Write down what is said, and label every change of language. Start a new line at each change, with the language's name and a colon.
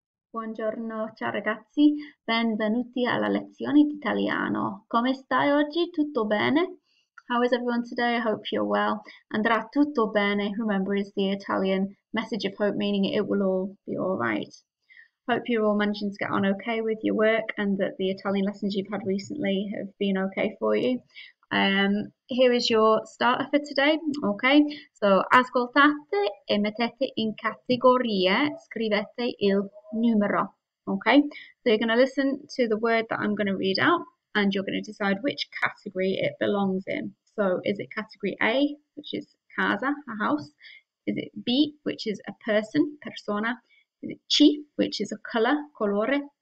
Italian: Buongiorno, ciao ragazzi, benvenuti alla lezione di italiano. Come stai oggi? Tutto bene?
English: How is everyone today? I hope you're well.
Italian: Andrà tutto bene.
English: Remember, is the Italian message of hope, meaning it will all be all right. Hope you're all managing to get on okay with your work and that the Italian lessons you've had recently have been okay for you. Here is your starter for today. Okay, so
Italian: ascoltate e mettete in categorie, scrivete il numero.
English: Okay, so you're going to listen to the word that I'm going to read out and you're going to decide which category it belongs in. So is it category A, which is casa, a house? Is it B, which is a person, persona? Is it C, which is a color, colore?